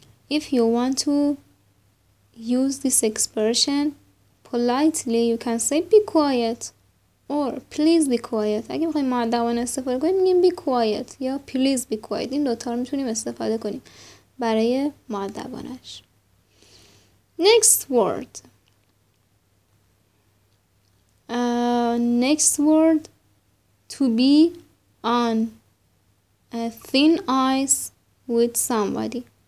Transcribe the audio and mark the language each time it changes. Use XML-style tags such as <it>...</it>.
<en>If you want to use this expression politely, you can say be quiet. Or please be quiet.</en> <fa>اگه میخوایم مؤدبانه استفاده کنیم میگیم be quiet یا please be quiet. این دوتا رو میتونیم استفاده کنیم برای مؤدبانش.</fa> <en>Next word to be on a thin ice with somebody.</en>